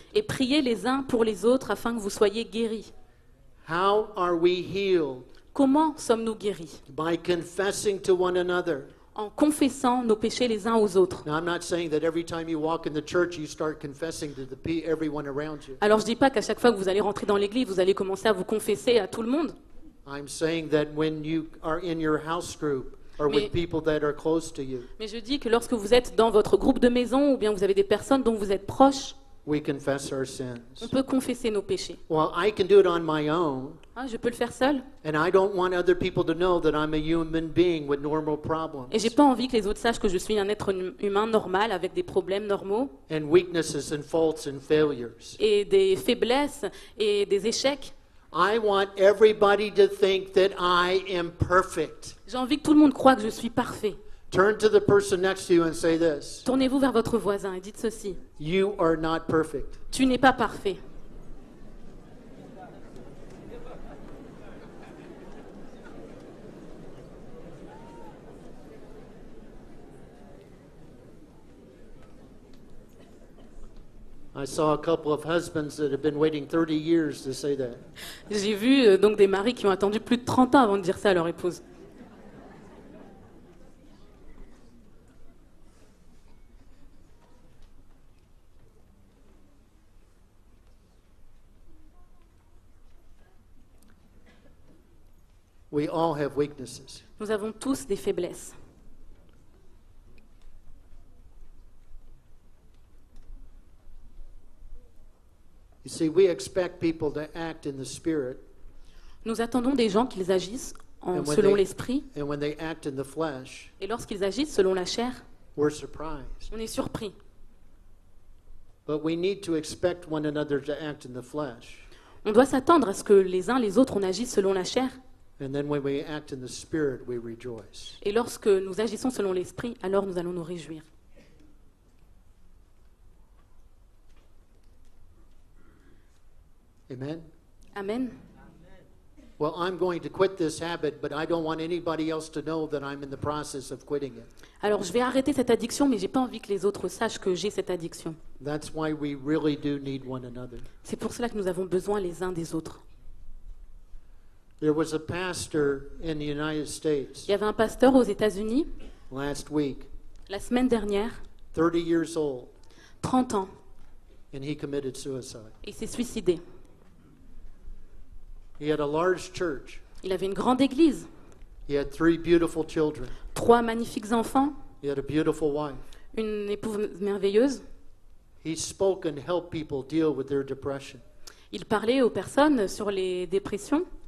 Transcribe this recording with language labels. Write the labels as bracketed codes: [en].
[fr] Et priez les uns pour les autres afin que vous soyez guéris. [en] How are we healed? [fr] Comment sommes-nous guéris? [en] By confessing to one another. [fr] En confessant nos péchés les uns aux autres. [en] Now, I'm not saying that every time you walk in the church, you start confessing to the everyone around you. [fr] Alors je dis pas qu'à chaque fois que vous allez rentrer dans l'église, vous allez commencer à vous confesser à tout le monde. [en] I'm saying that when you are in your house group or with people that are close to you. [fr] Mais je dis que lorsque vous êtes dans votre groupe de maison ou bien vous avez des personnes dont vous êtes proches, [en] we confess our sins. [fr] On peut confesser nos péchés. [en] Well, I can do it on my own. [fr] Ah, je peux le faire seul. [en] And I don't want other people to know that I'm a human being with normal problems. [fr] Et j'ai pas envie que les autres sachent que je suis un être humain normal avec des problèmes normaux. [en] And weaknesses and faults and failures. [fr] Et des faiblesses et des échecs. [en] I want everybody to think that I am perfect. [fr] J'ai envie que tout le monde croie que je suis parfait. [en] Turn to the person next to you and say this. [fr] Tournez-vous vers votre voisin et dites ceci. [en] You are not perfect. [fr] Tu n'es pas parfait. [en] I saw a couple of husbands that have been waiting 30 years to say that. [fr] J'ai vu donc des maris qui ont attendu plus de 30 ans avant de dire ça à leur épouse. [en] We all have weaknesses. [fr] Nous avons tous des faiblesses. [en] You see, we expect people to act in the spirit. [fr] Nous attendons des gens qu'ils agissent selon l'esprit. [en] And when they act in the flesh, [fr] et lorsqu'ils agissent selon la chair, [en] we're surprised. [fr] On est surpris. [en] But we need to expect one another to act in the flesh. [fr] On doit s'attendre à ce que les uns les autres on agisse selon la chair. [en] And then when we act in the spirit, we rejoice. [fr] Et lorsque nous agissons selon l'esprit, alors nous allons nous réjouir. [en] Amen. [fr] Amen. [en] Well, I'm going to quit this habit, but I don't want anybody else to know that I'm in the process of quitting it. [fr] Alors, je vais arrêter cette addiction, mais j'ai pas envie que les autres sachent que j'ai cette addiction. [en] That's why we really do need one another. [fr] C'est pour cela que nous avons besoin les uns des autres. [en] There was a pastor in the United States. [fr] Il y avait un pasteur aux États-Unis. [en] Last week. [fr] La semaine dernière. [en] 30 years old. [fr] 30 ans. [en] And he committed suicide. [fr] Il s'est suicidé. [en] He had a large church. [fr] Il avait une grande église. [en] He had three beautiful children. [fr] Trois magnifiques enfants. [en] He had a beautiful wife. [fr] Une épouse merveilleuse. [en] He spoke and helped people deal with their depression. [fr] Il parlait aux personnes sur les dépressions.